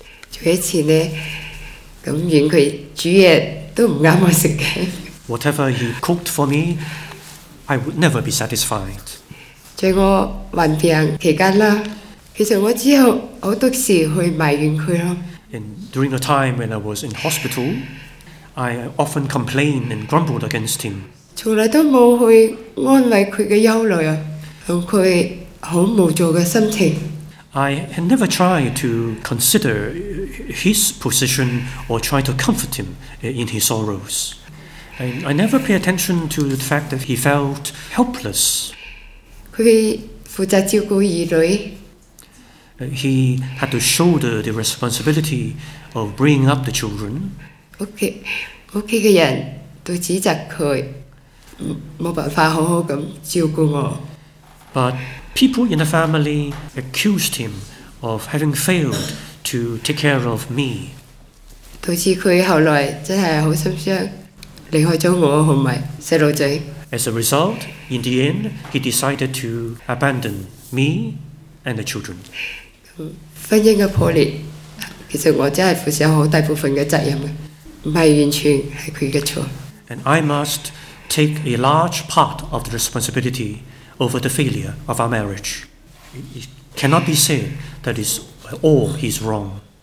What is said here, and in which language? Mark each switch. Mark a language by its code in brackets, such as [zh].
[yue] 做一次呢，咁怨佢煮嘢都唔啱我食嘅。 [en] Whatever he cooked for me, I would never be satisfied. [yue] 在我患病期间啦，其实我只有好多时去埋怨佢咯。 [en] And during the time when I was in hospital, I often complained and grumbled against him. [yue] 从来都冇去安慰佢嘅忧虑啊，同佢好无助嘅心情。 I had never tried to consider his position or try to comfort him in his sorrows. [en] I never pay attention to the fact that he felt helpless. [yue] 佢负责照顾儿女。 [en] He had to shoulder the responsibility of bringing up the children. [yue] 屋企嘅人都指责佢冇办法好好咁照顾我。 [en] But people in the family accused him of having failed to take care of me. [yue] 导致佢后来真系好心伤，离开咗我同埋细路仔。 [en] As a result, in the end, he decided to abandon me and the children. [yue] 婚姻嘅破裂，其实我真系负上好大部分嘅责任嘅，唔系完全系佢嘅错。 [en] And I must take a large part of the responsibility. Over the failure of our marriage. It cannot be said that it's all he's wrong.